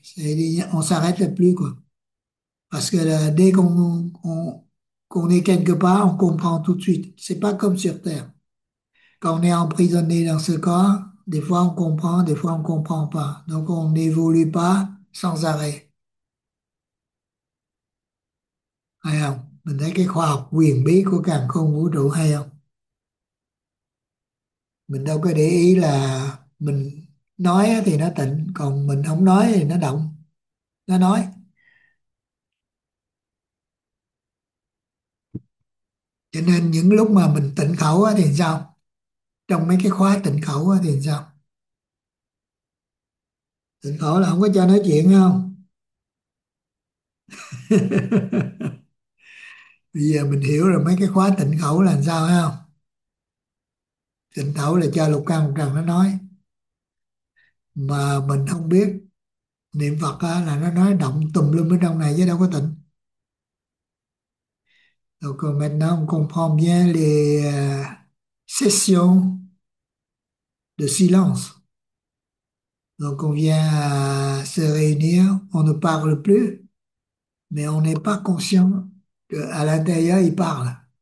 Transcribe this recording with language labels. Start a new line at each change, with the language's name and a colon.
French: C'est-à-dire, on s'arrête plus, quoi. Parce que là, dès qu'on est quelque part, on comprend tout de suite. C'est pas comme sur Terre. Quand on est emprisonné dans ce corps, des fois on comprend, des fois on comprend pas. Donc on n'évolue pas sans arrêt.
Vietnamese: Hay không? Mình thấy cái khoa học huyền bí của càn khôn vũ trụ hay không? Mình đâu có để ý là mình nói thì nó tịnh, còn mình không nói thì nó động. Nó nói. Cho nên những lúc mà mình tịnh khẩu thì sao? Trong mấy cái khóa tịnh khẩu thì sao? Tịnh khẩu là không có cho nói chuyện không? Bây giờ mình hiểu rồi mấy cái tịnh khẩu là sao không? Tịnh khẩu là cho lục căn lục trần nó nói. Mà mình không biết niệm Phật là nó nói động tùm lum ở trong này chứ đâu có tịnh.
French: Donc maintenant, on comprend bien les sessions de silence. Donc on vient se réunir, on ne parle plus, mais on n'est pas conscient qu'à l'intérieur, ils parlent.